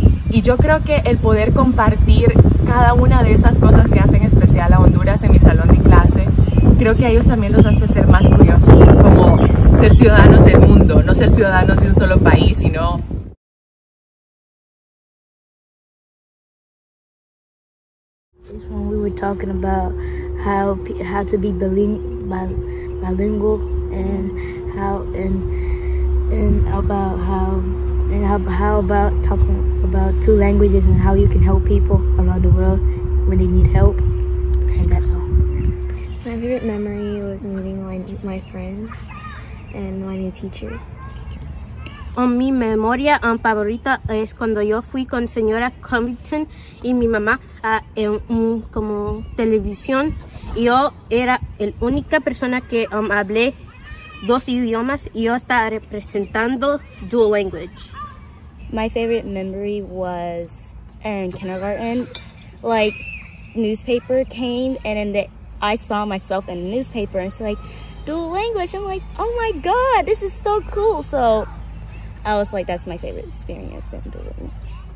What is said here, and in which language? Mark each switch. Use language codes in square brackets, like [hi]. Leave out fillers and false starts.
[es] Y yo creo que el poder compartir cada una de esas cosas que hacen especial a Honduras en mi salón de clase, creo que a ellos también los hace ser más curiosos, como ser ciudadanos del mundo, no ser ciudadanos de un solo país, sino... [en] This one we were talking about how to be bilingual and how about talking about two languages and how you can help people around the world when they need help. And that's all. My favorite memory was meeting my friends and my new teachers. [es] Mi memoria favorita es cuando yo fui con señora Covington y mi mamá en como televisión. Yo era la única persona que hablé dos idiomas y yo estaba representando dual language. [en] My favorite memory was in kindergarten. Like, newspaper came and then I saw myself in the newspaper and it's like, dual language. I'm like, oh my God, this is so cool. So I was like, that's my favorite experience in dual language.